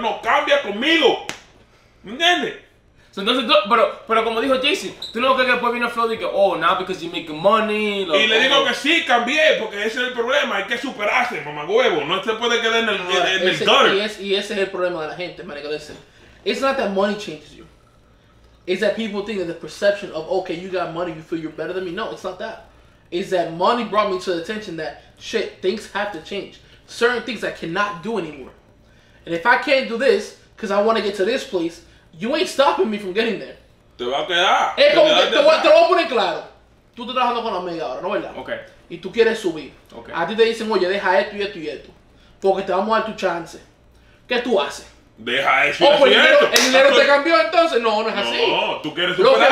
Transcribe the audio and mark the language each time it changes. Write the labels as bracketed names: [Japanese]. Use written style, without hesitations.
[Spanish] No, cambia conmigo. ¿Me entiendes? Entonces tú, pero como dijo Jayce, tú no crees que después vino Flo y que, [English] oh, now because you make money. [Spanish] Lo, y le digo que sí, cambié, porque ese es el problema. Hay que superarse, mamá huevo. No se puede quedar en el, ahora, en ese, el gutter. Y ese es el problema de la gente, marico. [English] Listen, it's not that money changes you. It's that people think that the perception of, okay, you got money, you feel you're better than me. No, it's not that. It's that money brought me to the attention that, shit, things have to change. Certain things I cannot do anymore. And if I can't do this because I want to get to this place, you ain't stopping me from getting there. [Spanish] Te va a quedar. Es como te lo voy a poner claro. Tú estás trabajando con la media ahora, ¿no es verdad? Ok. Y tú quieres subir. Ok. A ti te dicen, oye, deja esto y esto y esto. Porque te vamos a dar tu chance. ¿Qué tú haces? Deja eso y eso y esto. ¿El dinero te cambió entonces? No, no es así. No, tú quieres superarte.